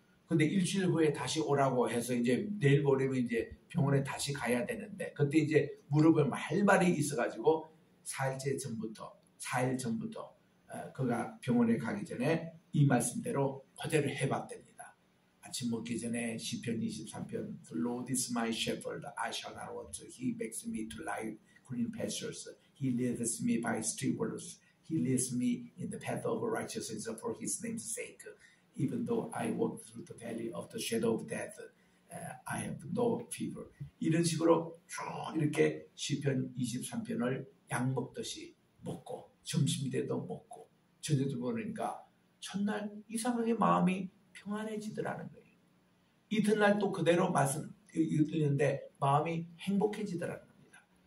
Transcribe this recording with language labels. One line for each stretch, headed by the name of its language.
Korean: 근데 일주일 후에 다시 오라고 해서 이제 내일 모레면 이제 병원에 다시 가야 되는데 그때 이제 무릎에 할 말이 있어가지고 4일 전부터 그가 병원에 가기 전에 이 말씀대로 그대로 해봤답니다. 아침 먹기 전에 시편 23편
English: The Lord is my shepherd, I shall not want. He makes me to lie green pastures. He leads me by still waters. He leads me in the path of righteousness for His name's sake. Even though I walk through the valley of the shadow of death, I have no fear.
Korean: 이런 식으로 쭉 이렇게 시편 23편을 약 먹듯이 먹고 점심 때도 먹고 저녁도 먹으니까 첫날 이상하게 마음이 평안해지더라는 거예요. 이튿날 또 그대로 말씀 읽는데 마음이 행복해지더라는 겁니다.